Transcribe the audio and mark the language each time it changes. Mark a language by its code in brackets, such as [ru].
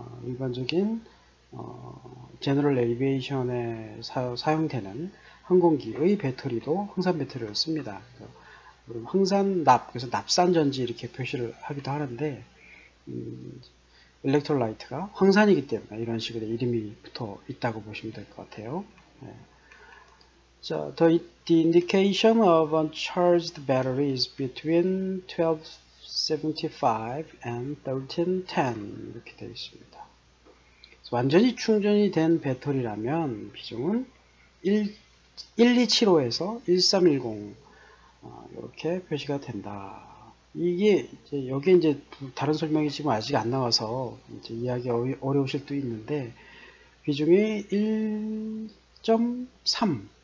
[ko] 일반적인 제너럴 에비에이션에 사용되는 항공기의 배터리도 황산 배터리를 씁니다. 황산 납, 그래서 납산전지 이렇게 표시를 하기도 하는데, 일렉트롤라이트가 황산이기 때문에 이런 식으로 이름이 붙어 있다고 보시면 될것 같아요. 네. [en] 자, the indication of uncharged batteries between 1275 and 1310 [ko] 이렇게 되어 있습니다. 완전히 충전이 된 배터리라면 비중은 1275에서 1310, 이렇게 표시가 된다. 이게 이제 여기 이제 다른 설명이 지금 아직 안 나와서 이제 이해하기 어려우실 수도 있는데 비중이 1.3.